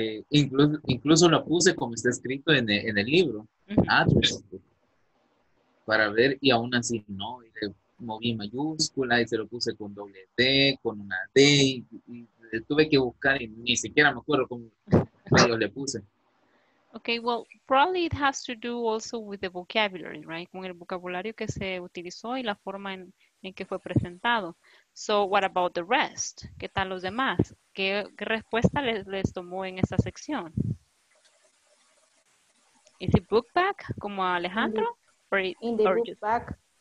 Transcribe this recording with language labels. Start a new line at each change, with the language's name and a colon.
Spanish: Incluso lo puse como está escrito en el libro, address book. Para ver, y aún así no. Y le moví mayúscula y se lo puse con doble D, con una D. Y tuve que buscar y ni siquiera me acuerdo cómo yo le puse.
English: Okay, well, probably it has to do also with the vocabulary, right?
Spanish: Con el vocabulario que se utilizó y la forma en que fue presentado.
English: So, what about the rest?
Spanish: ¿Qué tal los demás? ¿Qué respuesta les tomó en esa sección?
English: Is it book bag, como Alejandro? In the book bag.